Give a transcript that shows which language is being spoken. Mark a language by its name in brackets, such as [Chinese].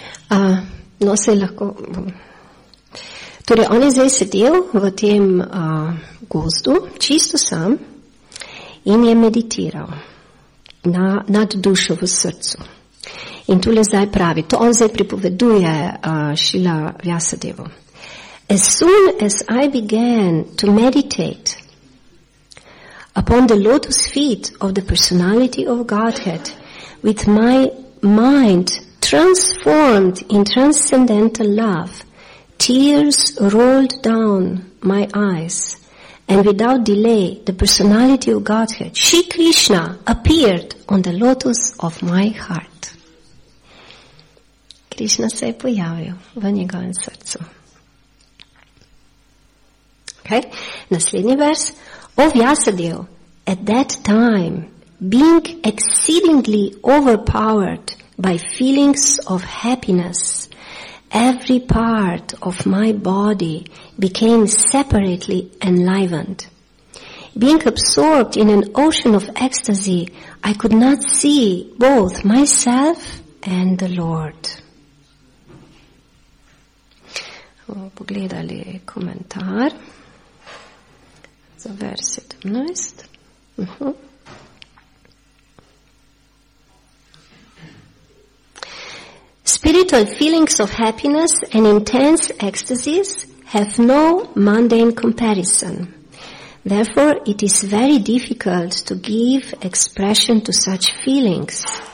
[Slovenian] No, se lahko. Torej, on je zdaj sedel v tem gozdu, čisto sam, in je meditiral nad dušo v srcu. In tule zdaj pravi, to on zdaj pripoveduje Šila Vyasadevo. [English] As soon as I began to meditate upon the lotus feet of the personality of Godhead, with my mind transformed in transcendental love, tears rolled down my eyes, and without delay, the personality of Godhead, Shri Krishna, appeared on the lotus of my heart. [Slovenian] Krishna se je pojavil v njegovem srcu. [English] Okay. [Slovenian] Naslednji vers. [English] O Vyasadev, at that time, being exceedingly overpowered by feelings of happiness, every part of my body became separately enlivened. Being absorbed in an ocean of ecstasy, I could not see both myself and the Lord. [Slovenian] Pogledali komentar za vers 17. [English] Spiritual feelings of happiness and intense ecstasies have no mundane comparison. Therefore, it is very difficult to give expression to such feelings.